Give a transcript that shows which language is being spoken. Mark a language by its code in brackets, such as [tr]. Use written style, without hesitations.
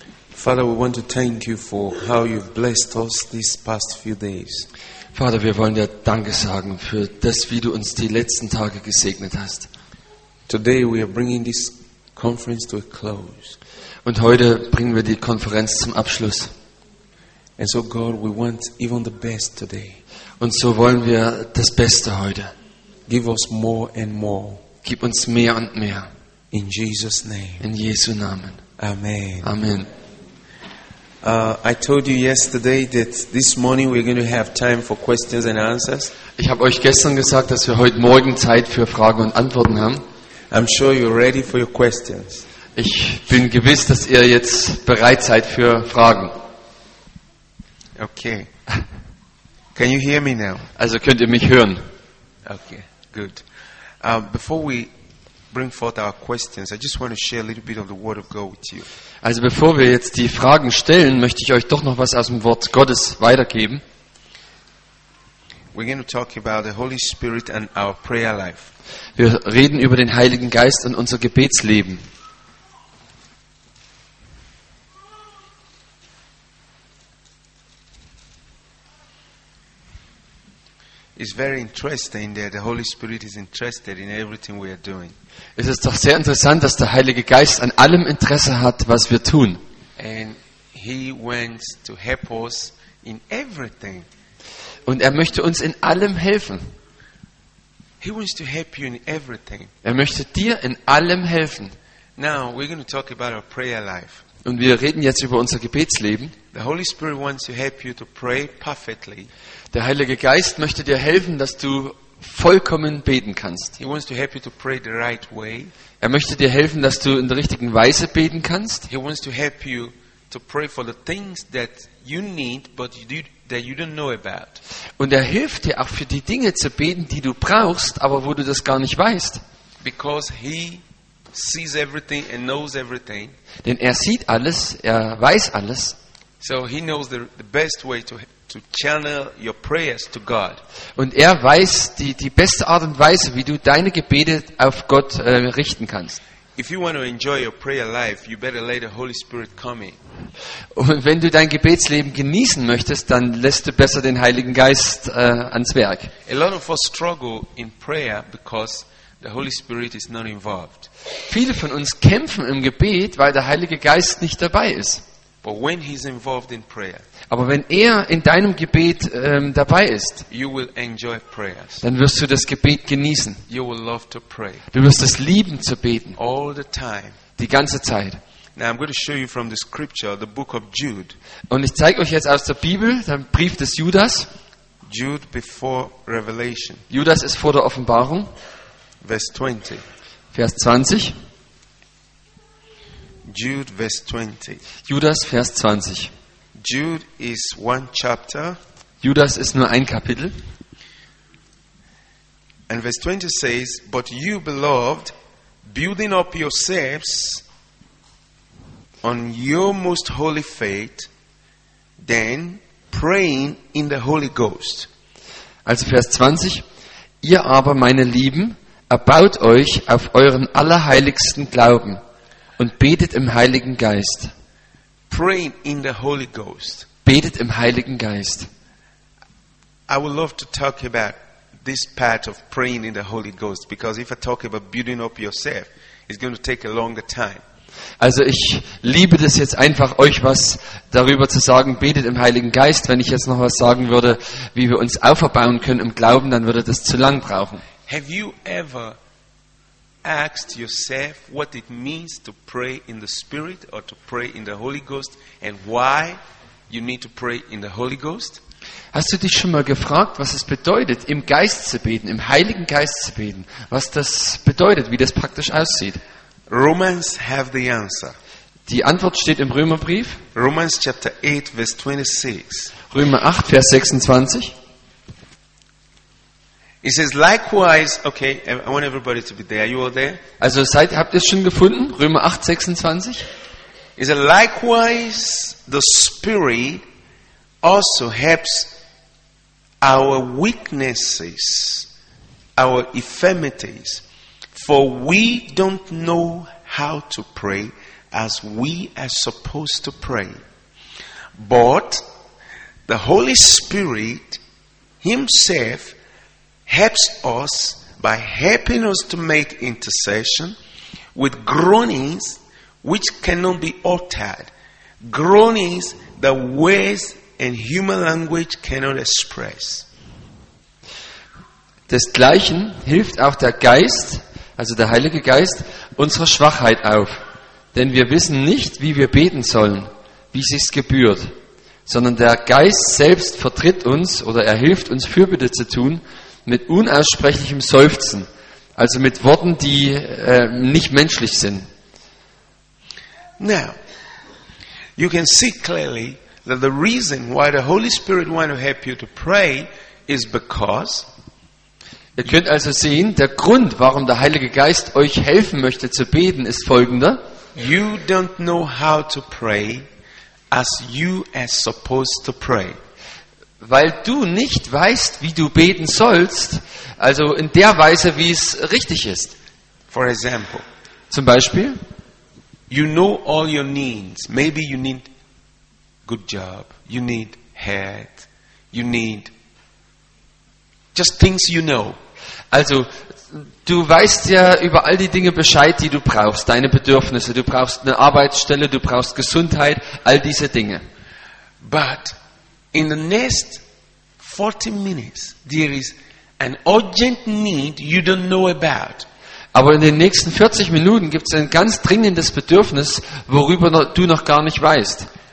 [en] Father, we want to thank you for how you've blessed us these past few days. [de] Vater, wir wollen dir Danke sagen für das, wie du uns die letzten Tage gesegnet hast. [en] Today we are bringing this conference to a close. [de] Und heute bringen wir die Konferenz zum Abschluss. [en] And so God, we want even the best today. [de] Und so wollen wir das Beste heute. [en] Give us more and more. [de] Gib uns mehr und mehr. [en] In Jesus' name. [de] In Jesu Namen. [en] Amen. [de] Amen. [en] I told you yesterday that this morning we're going to have time for questions and answers. [de] Ich habe euch gestern gesagt, dass wir heute Morgen Zeit für Fragen und Antworten haben. [en] I'm sure you're ready for your questions. [de] Ich bin gewiss, dass ihr jetzt bereit seid für Fragen. [en] Okay. Can you hear me now? [de] Also könnt ihr mich hören? [en] Okay, good. Before we bring forth our questions, I just want to share a little bit of the Word of God with you. [de] Also bevor wir jetzt die Fragen stellen, möchte ich euch doch noch was aus dem Wort Gottes weitergeben. [en] We're going to talk about the Holy Spirit and our prayer life. [de] Wir reden über den Heiligen Geist und unser Gebetsleben. [en] It's very interesting that the Holy Spirit is interested in everything we are doing. [de] Es ist doch sehr interessant, dass der Heilige Geist an allem Interesse hat, was wir tun. [en] And he wants to help us in everything. [de] Und er möchte uns in allem helfen. [en] He wants to help you in everything. [de] Er möchte dir in allem helfen. [en] Now we're going to talk about our prayer life. [de] Und wir reden jetzt über unser Gebetsleben. [en] The Holy Spirit wants to help you to pray perfectly. [de] Der Heilige Geist möchte dir helfen, dass du vollkommen beten kannst. [en] He wants to help you to pray the right way. [de] Er möchte dir helfen, dass du in der richtigen Weise beten kannst. [en] He wants to help you to pray for the things that you need but that you don't know about. [de] Und er hilft dir auch für die Dinge zu beten, die du brauchst, aber wo du das gar nicht weißt. [en] Because he sees everything and knows everything. [de] Denn er sieht alles, er weiß alles. [en] So he knows the best way to channel your prayers to God. [de] Und er weiß die beste Art und Weise, wie du deine Gebete auf Gott richten kannst. [en] If you want to enjoy your prayer life, you better let the Holy Spirit come in. [de] Und wenn du dein Gebetsleben genießen möchtest, dann lässt du besser den Heiligen Geist ans Werk. [en] A lot of us struggle in prayer because the Holy Spirit is not involved. [de] Viele von uns kämpfen im Gebet, weil der Heilige Geist nicht dabei ist. [en] But when he's involved in prayer, [de] aber wenn er in deinem Gebet dabei ist, [en] you will enjoy prayers. [de] Dann wirst du das Gebet genießen. [en] You will love to pray. [de] Du wirst es lieben zu beten. [en] All the time. [de] Die ganze Zeit. [en] Now I'm going to show you from the scripture, the book of Jude. [de] Und ich zeige euch jetzt aus der Bibel, den Brief des Judas. [en] Jude before Revelation. [de] Judas ist vor der Offenbarung. Vers 20. [en] Jude, Vers 20. [de] Judas, Vers 20. [en] Jude is one chapter. [de] Judas ist nur ein Kapitel. [en] And verse 20 says, but you beloved, building up yourselves on your most holy faith, then praying in the Holy Ghost. [de] Also Vers 20. Ihr aber, meine Lieben, erbaut euch auf euren allerheiligsten Glauben. Und betet im Heiligen Geist. [en] Praying in the Holy Ghost. [de] Betet im Heiligen Geist. [en] I would love to talk about this part of praying in the Holy Ghost, because if I talk about building up yourself, it's going to take a longer time. [de] Also ich liebe das jetzt einfach, euch was darüber zu sagen, betet im Heiligen Geist. Wenn ich jetzt noch was sagen würde, wie wir uns aufbauen können im Glauben, dann würde das zu lang brauchen. [en] Have you ever asked yourself what it means to pray in the Spirit or to pray in the Holy Ghost and why you need to pray in the Holy Ghost? [de] Hast du dich schon mal gefragt, was es bedeutet, im Geist zu beten, im Heiligen Geist zu beten? Was das bedeutet, wie das praktisch aussieht? [en] Romans have the answer. [de] Die Antwort steht im Römerbrief. [en] Romans chapter 8 verse 26. [de] Römer 8 Vers 26. [en] It says likewise, okay, I want everybody to be there. You all there? [de] Also seid, habt ihr es schon gefunden? Römer 8, 26. [en] It says likewise, the Spirit also helps our weaknesses, our infirmities, for we don't know how to pray as we are supposed to pray. But the Holy Spirit Himself helps us by helping us to make intercession with groanings which cannot be uttered, groanings that words and human language cannot express. [de] Desgleichen hilft auch der Geist, also der Heilige Geist, unserer Schwachheit auf. Denn wir wissen nicht, wie wir beten sollen, wie sich's gebührt. Sondern der Geist selbst vertritt uns oder er hilft uns, Fürbitte zu tun, mit unaussprechlichem Seufzen, also mit Worten, die nicht menschlich sind. [en] Now, you can see clearly that the reason why the Holy Spirit wants to help you to pray is because. [de] Ihr könnt also sehen, der Grund, warum der Heilige Geist euch helfen möchte zu beten, ist folgender: [en] You don't know how to pray as you are supposed to pray. [de] Weil du nicht weißt, wie du beten sollst, also in der Weise, wie es richtig ist. [en] For example, [de] zum Beispiel, [en] you know all your needs. Maybe you need good job, you need health, you need just things you know. [de] Also, du weißt ja über all die Dinge Bescheid, die du brauchst, deine Bedürfnisse, du brauchst eine Arbeitsstelle, du brauchst Gesundheit, all diese Dinge. [en] But in the next 40 minutes there is an urgent need you don't know about. [de] Aber in den nächsten 40 Minuten gibt es ein ganz dringendes Bedürfnis, worüber du noch gar nicht weißt.